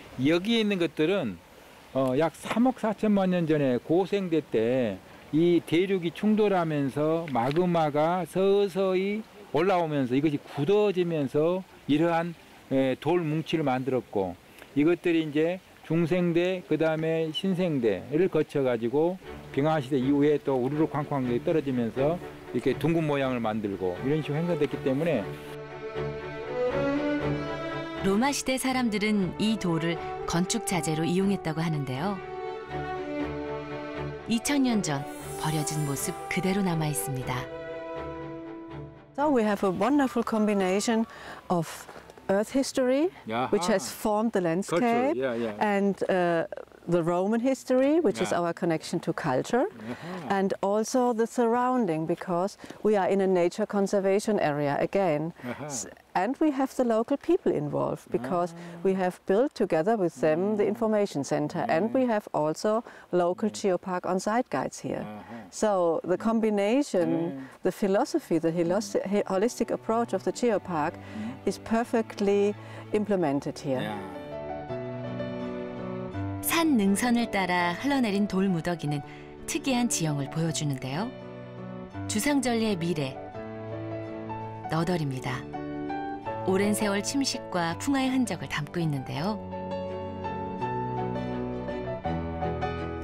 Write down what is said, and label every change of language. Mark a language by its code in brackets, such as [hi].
[ko] 여기에 있는 것들은 약 3억 4천만 년 전에 고생대 때 이 대륙이 충돌하면서 마그마가 서서히 올라오면서 이것이 굳어지면서 이러한 돌 뭉치를 만들었고 이것들이 이제 중생대 그다음에 신생대를 거쳐 가지고 빙하시대 이후에 또 우르르 쾅쾅하게 떨어지면서 이렇게 둥근 모양을 만들고 이런 식으로 형성됐기 때문에 로마 시대 사람들은 이 돌을 건축 자재로 이용했다고 하는데요. 2000년 전 버려진 모습 그대로 남아 있습니다. [en] So we have a wonderful combination of earth history which has formed the landscape and the Roman history which is our connection to culture and also the surrounding because we are in a nature conservation area again. And we have the local people involved because we have built together with them the information center and we have also local geopark on site guides here. So the combination, the philosophy, the holistic approach of the geopark is perfectly implemented here. [ko] 산 능선을 따라 흘러내린 돌 무더기는 특이한 지형을 보여주는데요. 주상절리의 미래, 너덜입니다. 오랜 세월 침식과 풍화의 흔적을 담고 있는데요.